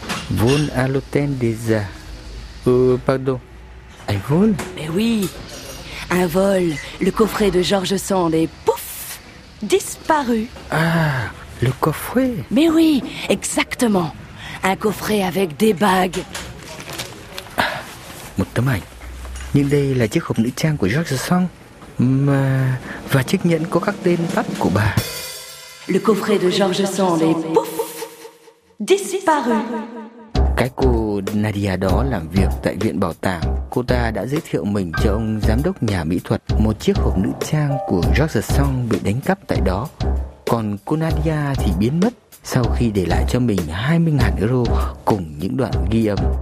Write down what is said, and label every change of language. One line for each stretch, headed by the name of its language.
French: Vol à l'hôtel des Arts. Pardon, un vol? Mais oui, un vol, le coffret de George Sand est... disparu. Ah, le coffret. Mais oui, exactement. Un coffret avec des bagues.
Vietnamese: Một tấm ảnh. Nhưng đây là chiếc hộp nữ trang của George Sand. Mà... và chiếc nhẫn có các tên bắp của bà.
French: Le coffret de George Sand est pouf, disparu.
Vietnamese: Cái cô Nadia đó làm việc tại viện bảo tàng cô ta đã giới thiệu mình cho ông giám đốc nhà mỹ thuật một chiếc hộp nữ trang của George Song bị đánh cắp tại đó. Còn cô Nadia thì biến mất sau khi để lại cho mình 20.000 euro cùng những đoạn ghi âm.